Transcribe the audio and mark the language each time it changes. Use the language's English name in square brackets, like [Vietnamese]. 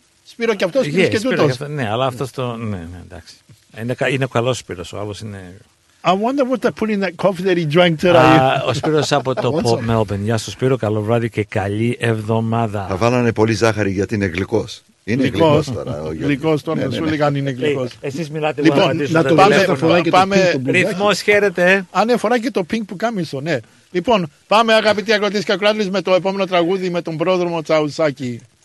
[Greek] Σπύρο και αυτός, πήρες και τούτος. Και αυτό, ναι, αλλά αυτός το... Ναι, ναι, εντάξει. Είναι καλός Σπύρος, ο άλλος είναι... [English] I wonder what they put in that coffee that he drank today. [Greek] Ο Σπύρος από το Port Melbourne. Γεια σου Σπύρο, καλό βράδυ και καλή εβδομάδα. Θα βάλανε πολύ ζάχαρη γιατί είναι γλυκός. Είναι γλυκός τώρα. Γλυκός τώρα, ναι, ναι. Σου λέγανε είναι γλυκός. Εσείς μιλάτε λοιπόν, να το πάμε. Πάμε ρυθμός, χαίρετε. Α, ναι, φοράει και το pink που κάμισο, ναι. Λοιπόν, πάμε αγαπητοί ακροατές και ακροάτες με το επόμενο τραγούδι με τον πρόδρομο Τσαουσάκη.